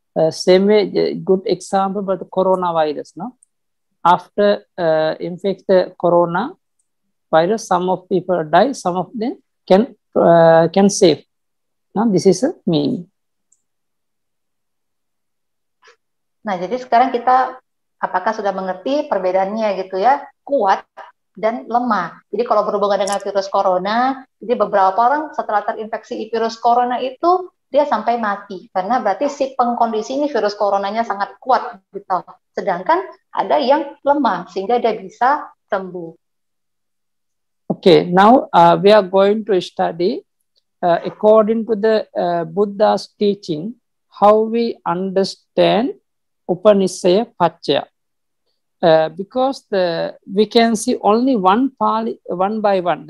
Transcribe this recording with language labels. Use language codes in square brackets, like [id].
[en] Same way, good example about the coronavirus, no? After infect the corona, virus, some of people die, some of them can save. Now this is a meaning. [id] Nah, jadi sekarang kita apakah sudah mengerti perbedaannya gitu ya, kuat dan lemah. Jadi kalau berhubungan dengan virus corona, jadi beberapa orang setelah terinfeksi virus corona itu dia sampai mati. Karena berarti si pengkondisi ini virus coronanya sangat kuat gitu. Sedangkan ada yang lemah sehingga dia bisa sembuh. [en] Okay, now we are going to study according to the Buddha's teaching how we understand Upanishaya Paccaya. Because we can see only one Pali, one by one.